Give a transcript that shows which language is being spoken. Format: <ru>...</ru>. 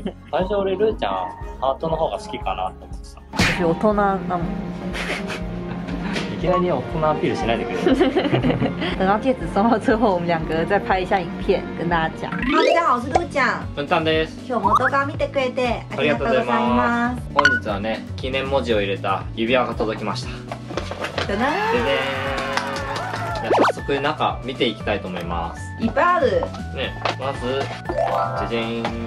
<ja>最初俺ルーちゃんハートの方が好きかなと思ってた。私大人なもん。いきなり大人アピールしないでくれ。</ja> <zh>等到戒指送到之后，我们两个再拍一下影片跟大家讲。大家好，我是露ちゃん。</zh> <ja>文ちゃんです。今日も動画見てくれてありがとうございます。本日はね、記念文字を入れた指輪が届きました。じゃあね。早速中見ていきたいと思います。いっぱいある。ね、まずじゃじゃん。</ja>